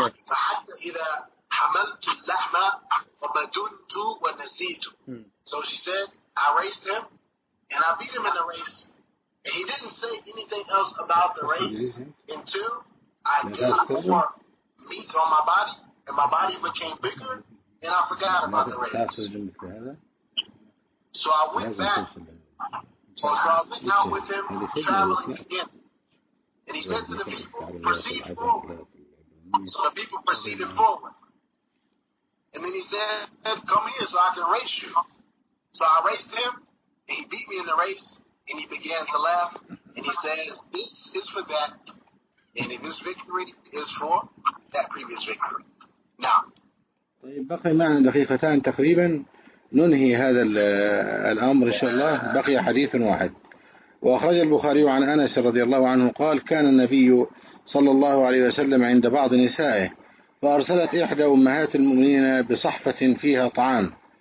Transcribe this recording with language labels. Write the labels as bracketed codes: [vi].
[ar] حتى إذا حملت اللحمة وبدنت ونسيت. [en] So she said I raced him and I beat him in the race. And he didn't say anything else about the race until I got more meat on my body and my body became bigger and I forgot about the race. So I went back. So I went out with him traveling again. And he said to the people, proceed forward. So the people proceeded forward. And then he said, come here so I can race you. So I raced him, and he beat me in the race, and he began to laugh. And he says, this is for that, and this victory is for that previous victory. Now, [ar] بقي معنا دقيقتان تقريبا. ننهي هذا الأمر إن شاء الله. بقي حديث واحد. وأخرج البخاري عن أنس رضي الله عنه قال كان النبي صلى الله عليه وسلم عند بعض نسائه فأرسلت إحدى أمهات المؤمنين بصحفة فيها طعام